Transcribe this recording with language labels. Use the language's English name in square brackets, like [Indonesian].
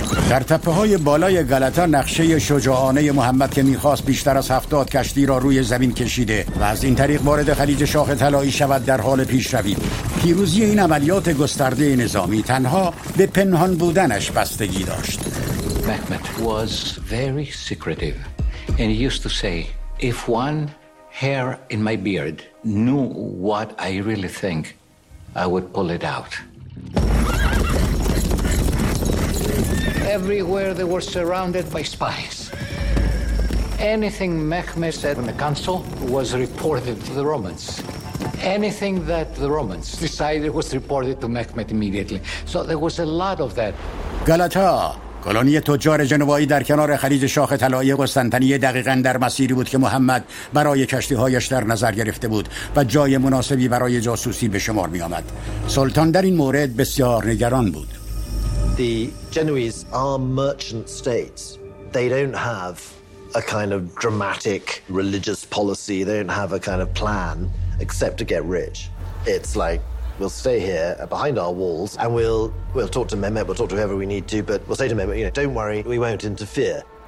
[Persian] در تپه‌های بالای گالاتا نقشه شجاعانه محمد که می‌خواست بیشتر از 70 کشتی را روی زمین کشیده و از این طریق وارد خلیج شاخ طلایی شود در حال پیشروی. پیروزی این عملیات گسترده نظامی تنها به پنهان بودنش بستگی داشت. [English] Mehmet was very secretive and he used to say if one hair in my beard knew what I really think I would pull it out. Everywhere they were surrounded by spies. Anything Mehmet said in the council was reported to the Romans. Anything that the Romans decided was reported to Mehmet immediately. So there was a lot of that. [Persian] Galata, کلونی تجار جنوبایی در کنار خلیج شاخ طلایی قسطنطنیه دقیقاً در مسیری بود که محمد برای کشتی‌هایش در نظر گرفته بود و جای مناسبی برای جاسوسی به شمار می‌آمد. سلطان در این مورد بسیار نگران بود. [English] The Genoese are merchant states. They don't have a kind of dramatic religious policy. They don't have a kind of plan except to get rich. It's like, we'll stay here behind our walls and we'll talk to Mehmet, we'll talk to whoever we need to, but we'll say to Mehmet, you know, don't worry, we won't interfere.